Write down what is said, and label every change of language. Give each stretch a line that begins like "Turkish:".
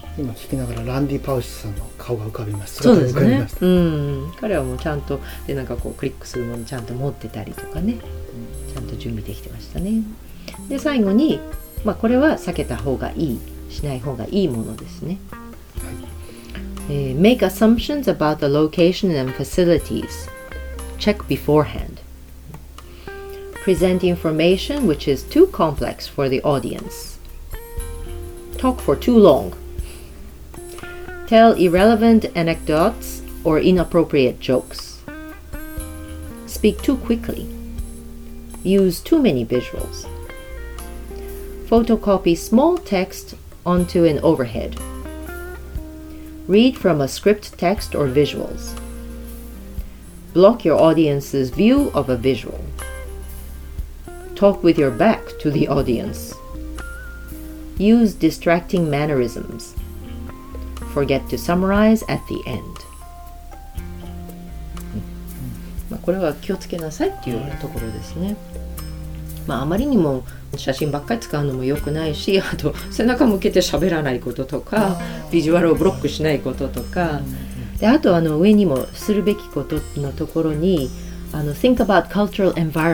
Japanese: 今聞きながらランディ・パウシュさんの顔が浮かびました。そうですね、うん、彼はもうちゃんとでなんかこうクリックするものちゃんと持ってたりとかね、ちゃんと準備できてましたね。で最後に、まあ、これは避けた方がいい、しない方がいいものですね。
English: Make assumptions about the location and facilities. Check beforehand. Present information which is too complex for the audience. Talk for too long. Tell irrelevant anecdotes or inappropriate jokes. Speak too quickly. Use too many visuals. Photocopy small text onto an overhead. Read from a script text or visuals. Block your audience's view of a visual. Talk with your back to the audience. Use distracting mannerisms. Forget to summarize at the end.、
Japanese: まあ、これは気をつけなさいっていうところですね。まあ、あまりにも写真ばっかり使うのも良くないし、あと背中向けて喋らないこととか、ビジュアルをブロックしないこととか、で、あと上にもするべきことのところに
English: Think about cultural environment、